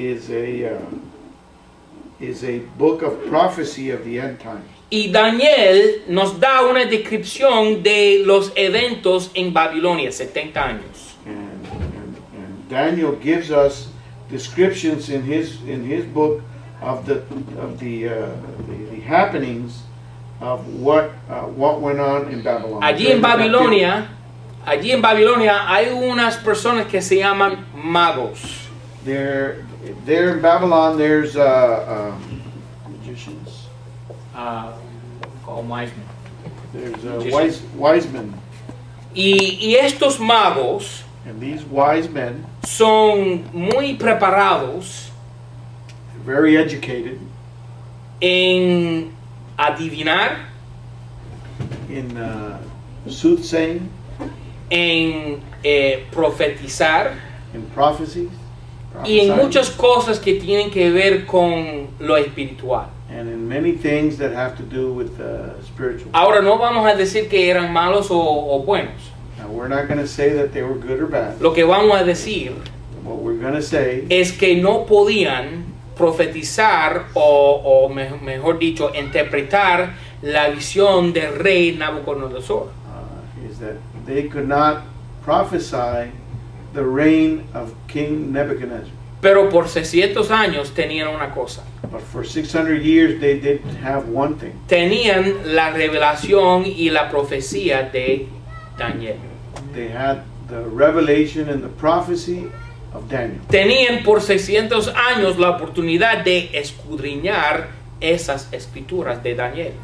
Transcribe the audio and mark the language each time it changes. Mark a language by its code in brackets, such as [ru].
[en] Is a book of prophecy of the end time. [es] Y Daniel nos da una descripción de los eventos en Babilonia, 70 años. [en] And Daniel gives us descriptions in his book of the happenings of what went on in Babylon. [es] Allí en Babilonia hay unas personas que se llaman magos. [en] There in Babylon, there's magicians. Called wise men. There's wise men. [es] Y estos magos. [en] And these wise men. [es] Son muy preparados. [en] Very educated. [es] En adivinar. [en] In soothsaying. [es] En profetizar. [en] In prophecies. [es] Y en muchas cosas que tienen que ver con lo espiritual. [en] And in many things that have to do with the spiritual. [es] Ahora no vamos a decir que eran malos o buenos. [en] Now we're not going to say that they were good or bad. [es] Lo que vamos a decir. [en] What we're going to say. [es] Es que no podían profetizar mejor dicho, interpretar la visión del rey Nabucodonosor. [en] Is that they could not prophesy the reign of King Nebuchadnezzar. [es] Pero por 600 años tenían una cosa. [en] But for 600 years they didn't have one thing. [es] Tenían la revelación y la profecía de Daniel. [en] They had the revelation and the prophecy of Daniel. [es] Tenían por 600 años la oportunidad de escudriñar esas escrituras de Daniel.